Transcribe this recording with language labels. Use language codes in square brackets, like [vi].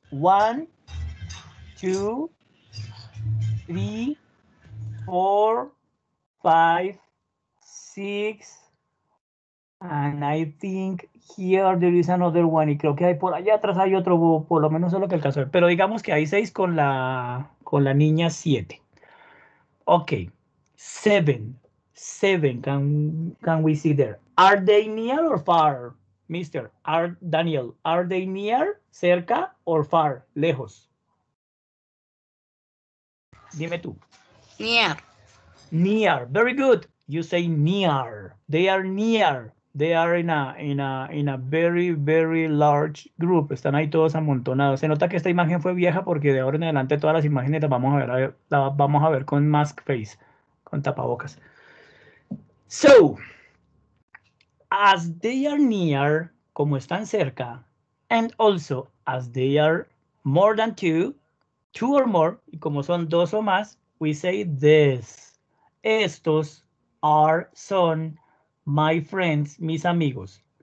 [en] One, two, three, four, five, six, and I think here there is another one. [es] Y creo que hay por allá atrás hay otro, por lo menos es lo que alcanzó. Pero digamos que hay seis con la niña siete. [en] Ok, seven, can we see there? Are they near or far? Mister, Daniel, are they near, cerca or far, lejos? [es] Dime tú. [en] Near. Near, very good. You say near. They are near. They are in a very, very large group. [es] Están ahí todos amontonados. Se nota que esta imagen fue vieja porque de ahora en adelante todas las imágenes las vamos a ver con mask face, con tapabocas. [en] So, as they are near, [es] como están cerca, [en] and also as they are more than two or more, [es] y como son dos o más, [en] we say this. [es] Estos son [en] my friends, [es] mis amigos.